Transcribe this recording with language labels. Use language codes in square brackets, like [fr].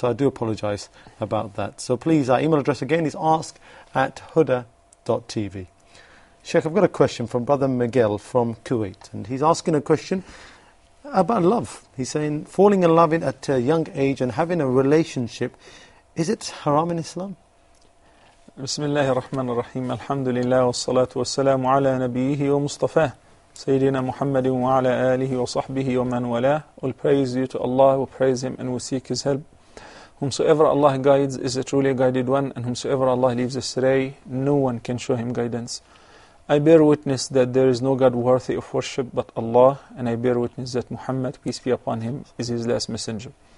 [en] So I do apologize about that. So please, our email address again is ask@huda.tv. Sheikh, I've got a question from Brother Miguel from Kuwait. And he's asking a question about love. He's saying, falling in love at a young age and having a relationship, is it haram in Islam? [ar] بسم الله الرحمن الرحيم الحمد لله والصلاة والسلام على نبيه ومصطفاه سيدنا محمد وعلى آله وصحبه ومن والاه. [en] All praise due to Allah, we praise him and we seek his help. Whomsoever Allah guides is a truly guided one, and whomsoever Allah leaves astray, no one can show him guidance. I bear witness that there is no God worthy of worship but Allah, and I bear witness that Muhammad, peace be upon him, is his last messenger.